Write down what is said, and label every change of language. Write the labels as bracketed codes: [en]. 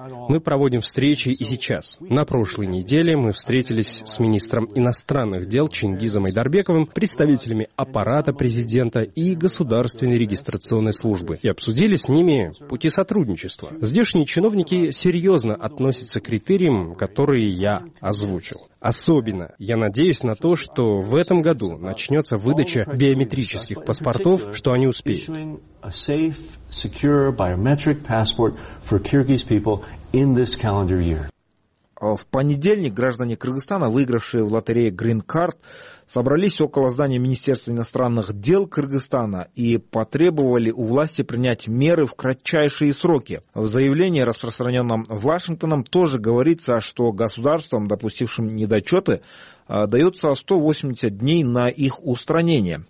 [ru] Мы проводим встречи и сейчас. На прошлой неделе мы встретились с министром иностранных дел Чингизом Айдарбековым, представителями аппарата президента и государственной регистрационной службы и обсудили с ними пути сотрудничества. Здешние чиновники серьезно относятся к критериям, которые я озвучил. Особенно я надеюсь на то, что в этом году начнется выдача биометрических паспортов, что они успеют. [en] A safe, secure biometric passport for Kyrgyz people in this calendar year. [ru] В понедельник граждане Кыргызстана, выигравшие в лотерее Green Card, собрались около здания Министерства иностранных дел Кыргызстана и потребовали у власти принять меры в кратчайшие сроки. В заявлении, распространенном Вашингтоном, тоже говорится, что государствам, допустившим недочеты, дается 180 дней на их устранение.